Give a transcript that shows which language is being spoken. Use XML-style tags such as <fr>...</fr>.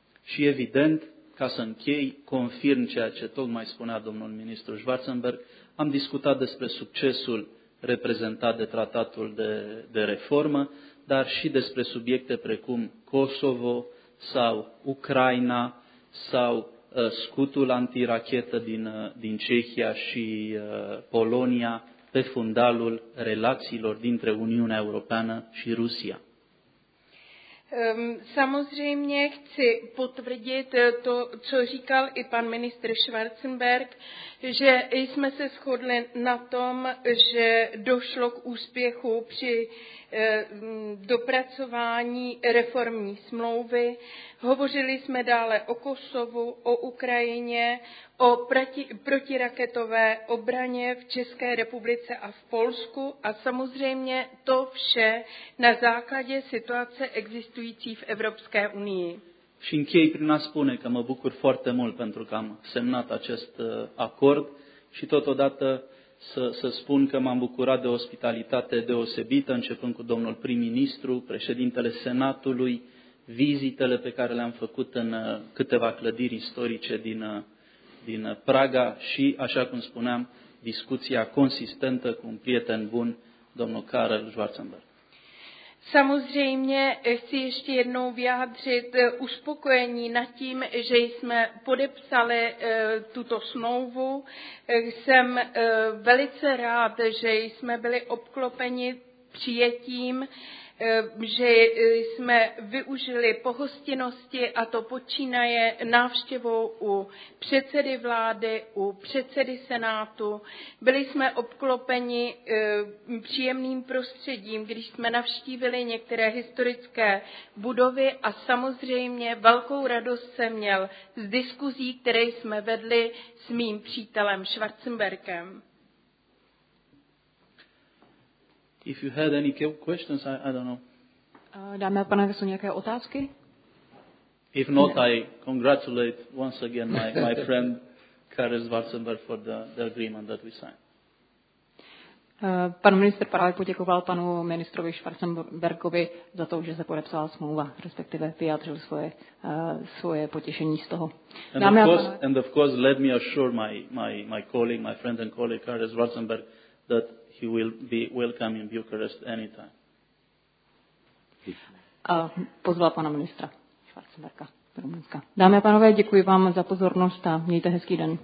<ro>Și evident, ca să închei, confirm ceea ce tocmai spunea domnul ministru Schwarzenberg, am discutat despre succesul reprezentat de tratatul de reformă, dar și despre subiecte precum Kosovo sau Ucraina sau scutul antirachetă din Cehia și Polonia pe fundalul relațiilor dintre Uniunea Europeană și Rusia.</ro> <cs>Samozřejmě chci potvrdit to, co říkal i pan ministr Schwarzenberg, že jsme se shodli na tom, že došlo k úspěchu při dopracování reformní smlouvy. Hovořili jsme dále o Kosovu, o Ukrajině, o protiraketové obraně v České republice a v Polsku a samozřejmě to vše na základě situace existující v Evropské unii.</cs> <ro>Și închei prin a spune că mă bucur foarte mult pentru că am semnat acest acord și totodată să spun că m-am bucurat de ospitalitate deosebită, începând cu domnul prim-ministru, președintele Senatului, vizitele pe care le-am făcut în câteva clădiri istorice din Praga și, așa cum spuneam, discuția consistentă cu un prieten bun, domnul Karel Schwarzenberg.</ro> <cs>Samozřejmě chci ještě jednou vyjádřit uspokojení nad tím, že jsme podepsali tuto smlouvu. Jsem velice rád, že jsme byli obklopeni přijetím, že jsme využili pohostinnosti a to počínaje návštěvou u předsedy vlády, u předsedy senátu. Byli jsme obklopeni příjemným prostředím, když jsme navštívili některé historické budovy a samozřejmě velkou radost jsem měl z diskuzí, které jsme vedli s mým přítelem Schwarzenbergem.</cs> <en>If you had any questions, I don't know.</en> <cs>Dámy a panové, jsou nějaké otázky?</cs> <en>If not, I congratulate once again my friend Karel Schwarzenberg for the agreement that we signed.</en> <cs>Pan ministr právě poděkoval panu ministrovi Schwarzenbergovi za to, že se podepsala smlouva, respektive vyjádřil svoje potěšení z toho.</cs> <en>And of course, let me assure my colleague, my friend and colleague Karel Schwarzenberg that he will be welcome in Bucharest anytime.</en> <cs>Pozval pana ministra Schwarzenberga z Rumunska. Dámy a pánové, děkuji vám za pozornost a mějte hezký den.</cs>